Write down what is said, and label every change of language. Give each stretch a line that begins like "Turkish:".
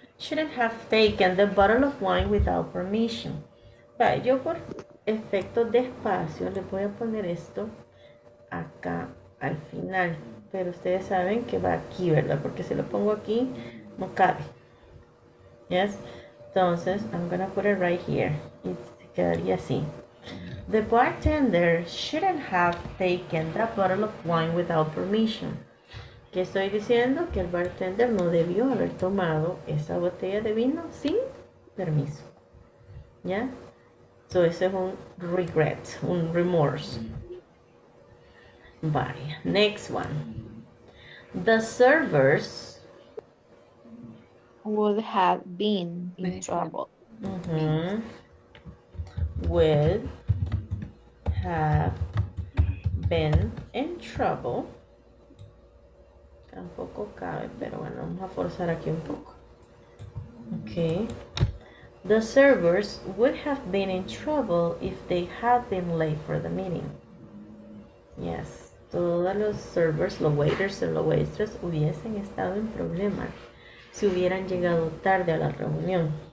English: Shouldn't have taken the bottle of wine without permission.
Spanish: Vale, yo por efecto de espacio le voy a poner esto acá al final. Pero ustedes saben que va aquí, ¿verdad? Porque si lo pongo aquí, no cabe. Yes? Entonces,
English: I'm gonna put it right here.
Spanish: Y quedaría así.
English: The bartender shouldn't have taken that bottle of wine without permission.
Spanish: ¿Qué estoy diciendo? Que el bartender no debió haber tomado esa botella de vino sin permiso. ¿Ya? So, eso es un remorse. Vaya.
English: Next one. The servers would have been in trouble. Mm-hmm. Would have been in trouble.
Spanish: Tampoco cabe, pero bueno, vamos a forzar aquí un poco.
English: Okay. The servers would have been in trouble if they had been late for the meeting. Yes.
Spanish: Todos los servers, los waiters y los waitress hubiesen estado en problema si hubieran llegado tarde a la reunión.